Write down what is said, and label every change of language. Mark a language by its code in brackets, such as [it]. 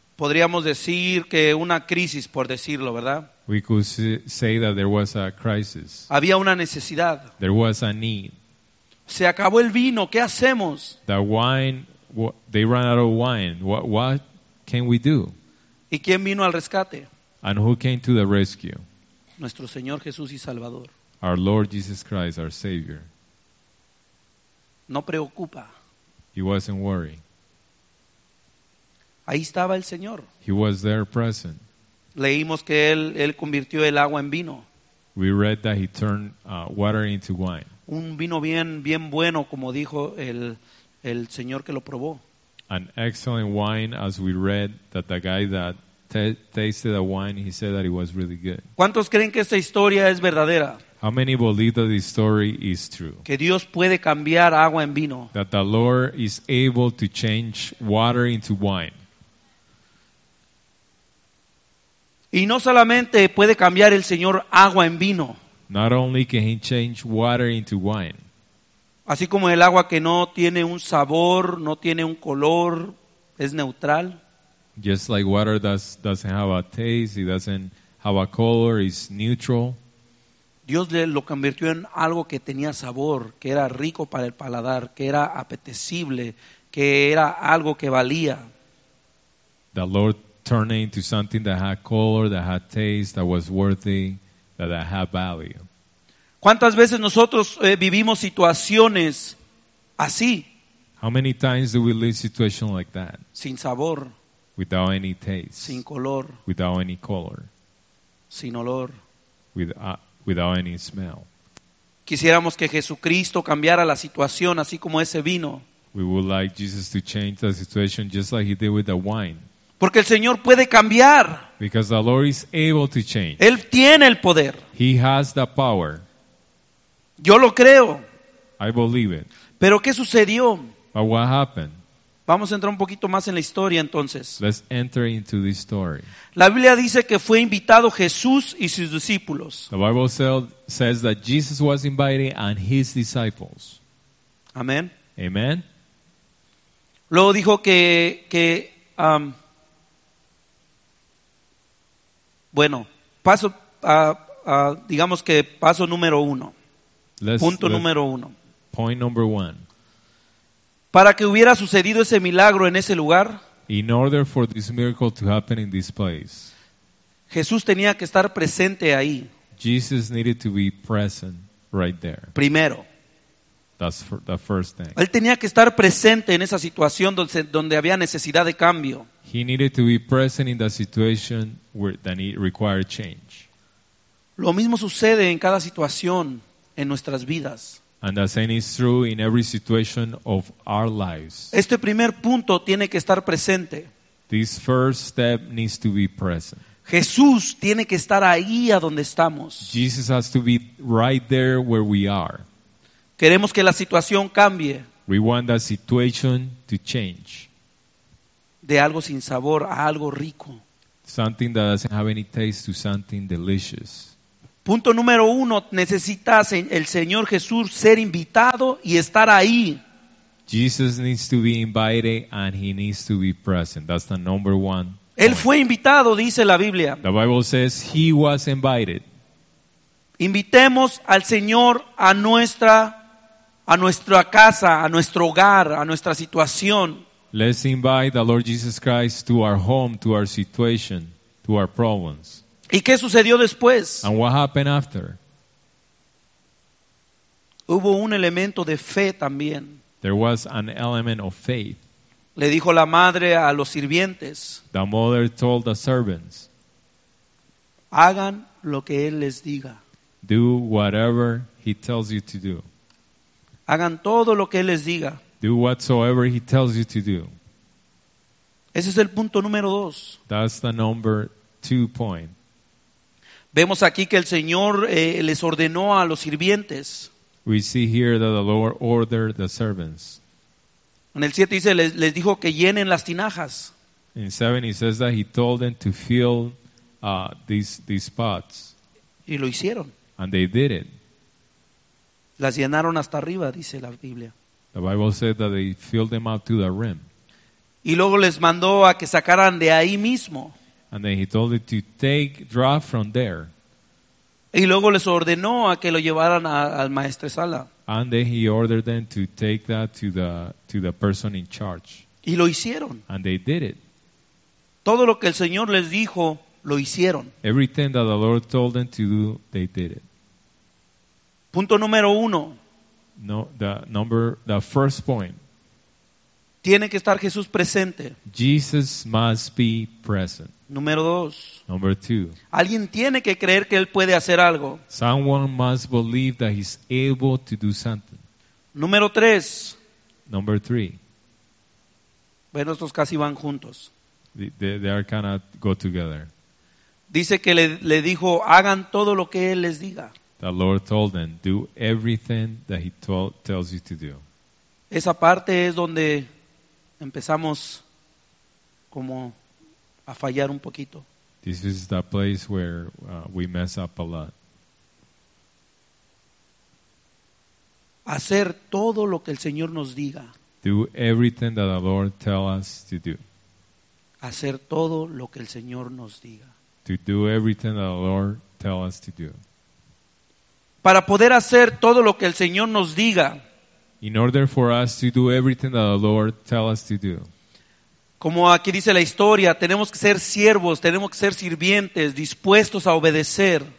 [es] Podríamos decir que una crisis, por decirlo, ¿verdad? [en] We could say that there was a crisis. [es] Había una necesidad. [en] There was a need. [es] Se acabó el vino, ¿qué hacemos? [en] The wine, they ran out of wine. What can we do? [es] ¿Y quién vino al rescate? [en] And who came to the rescue? [es] Nuestro Señor Jesús y Salvador. [en] Our Lord Jesus Christ, our Savior. [es] No preocupa. [en] He wasn't worried. [es] Ahí estaba el Señor. [en] He was there present. [es] Leímos que él convirtió el agua en vino. [en] We read that he turned water into wine. [es] Un vino bien, bien bueno, como dijo el Señor que lo probó. [en] An excellent wine, as we read that the guy that tasted the wine, he said that it was really good. [es] ¿Cuántos creen que esta historia es verdadera? [en] How many believe that this story is true? [es] Que Dios puede cambiar agua en vino. [en] That the Lord is able to change water into wine. [es] Y no solamente puede cambiar el Señor agua en vino. [en] Not only can he change water into wine. [es] Así como el agua que no tiene un sabor, no tiene un color, es neutral. [en] Just like water that doesn't have a taste, it doesn't have a color, it's neutral. [es] Dios lo convirtió en algo que tenía sabor, que era rico para el paladar, que era apetecible, que era algo que valía. [en] The Lord turned it into something that had color, that had taste, that was worthy, that had value. [es] ¿Cuántas veces nosotros vivimos situaciones así? [en] How many times do we live situations like that? [es] Sin sabor. [en] Without any taste. [es] Sin color. [en] Without any color. [es] Sin olor. [en] Without any smell. [es] Quisiéramos que Jesucristo cambiara la situación así como ese vino. [en] We would like Jesus to change the situation just like he did with the wine. [es] Porque el Señor puede cambiar. [en] Because the Lord is able to change. [es] Él tiene el poder. [en] He has the power. [es] Yo lo creo. [en] I believe it. [es] Pero ¿qué sucedió? [en] But what happened? [es] Vamos a entrar un poquito más en la historia entonces. [en] Let's enter into this story. [es] La Biblia dice que fue invitado Jesús y sus discípulos. [en] The Bible says that Jesus was invited and his disciples. [es] Amén. [en] Amen. [es] Luego dijo que bueno, paso digamos que paso número uno. Punto número uno. [en] Point number one. [es] Para que hubiera sucedido ese milagro en ese lugar, [en] in order for this miracle to happen in this place, [es] Jesús tenía que estar presente ahí. [en] Jesus needed to be present right there. [es] Primero. [en] That's the first thing. [es] Él tenía que estar presente en esa situación donde había necesidad de cambio. [en] He needed to be present in the situation where that it required change. [es] Lo mismo sucede en cada situación en nuestras vidas. [en] And the same is true in every situation of our lives. [es] Este primer punto tiene que estar presente. [en] This first step needs to be present. [es] Jesús tiene que estar ahí a donde estamos. [en] Jesus has to be right there where we are. [es] Queremos que la situación cambie. [en] We want the situation to change. [es] De algo sin sabor a algo rico. [en] Something that doesn't have any taste to something delicious. [es] Punto número uno, necesitas el Señor Jesús ser invitado y estar ahí. [en] Jesus needs to be invited and he needs to be present. That's the number one. [es] Él fue invitado, dice la Biblia. [en] The Bible says he was invited. [es] Invitemos al Señor a nuestra casa, a nuestro hogar, a nuestra situación. [en] Let's invite the Lord Jesus Christ to our home, to our situation, to our problems. [es] ¿Y qué sucedió después? [en] And what happened after? [es] Hubo un elemento de fe también. [en] There was an element of faith. [es] Le dijo la madre a los sirvientes. [en] The mother told the servants. [es] Hagan lo que él les diga. [en] Do whatever he tells you to do. [es] Hagan todo lo que él les diga. [en] Do whatsoever he tells you to do. [es] Ese es el punto número dos. [en] That's the number two point. [es] Vemos aquí que el Señor les ordenó a los sirvientes. [en] We see here that the Lord ordered the servants. [es] En el 7 dice, les dijo que llenen las tinajas. [en] In 7 he says that he told them to fill these pots. [es] Y lo hicieron. [en] And they did it. [es] Las llenaron hasta arriba, dice la Biblia. [en] The Bible said that they filled them up to the rim. [es] Y luego les mandó a que sacaran de ahí mismo. [en] And then he told it to take draw from there. [es] Y luego les ordenó a que lo llevaran al maestro sala. [en] And then he ordered them to take that to the person in charge. [es] Y lo hicieron. [en] And they did it. [es] Todo lo que el Señor les dijo, lo hicieron. [en] Everything that the Lord told them to do, they did it. [es] Punto número uno. [en] No, the first point. [es] Tiene que estar Jesús presente. [en] Jesus must be present. [es] Número dos. [en] Number two. [es] Alguien tiene que creer que él puede hacer algo. [en] Someone must believe that he's able to do something. [es] Número tres. [en] Number three. [es] Bueno, estos casi van juntos. [en] They are kind of go together. [es] Dice que le dijo, hagan todo lo que él les diga. [en] The Lord told them, do everything that he tells you to do. [es] Esa parte es donde empezamos como a fallar un poquito. [en] This is the place where we mess up a lot. [es] Hacer todo lo que el Señor nos diga. [en] Do everything that the Lord tells us to do. [es] Hacer todo lo que el Señor nos diga. [en] To do everything that the Lord tells us to do. [es] Para poder hacer todo lo que el Señor nos diga. [en] In order for us to do everything that the Lord tells us to do. [es] Como aquí dice la historia, tenemos que ser siervos, tenemos que ser sirvientes, dispuestos a obedecer.